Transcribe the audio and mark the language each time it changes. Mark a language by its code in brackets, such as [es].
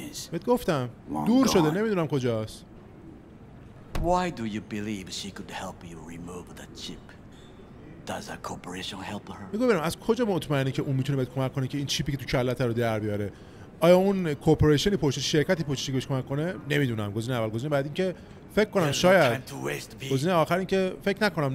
[fa] بهت گفتم دور شده، نمیدونم کجاست. [en] Why do you believe she could help you remove the chip? Does a corporation help her? [fa] میگم ببینم از کجا مطمئنی که اون میتونه بهت کمک کنه که این چیپی که تو کلت رو در بیاره؟ آیا اون کورپوریشنی پشت شرکتی پشتش که بهش کمک کنه؟ نمیدونم. گزینه اول. گزینه بعد اینکه فکر کنم شاید. گزینه آخر اینکه فکر نکنم.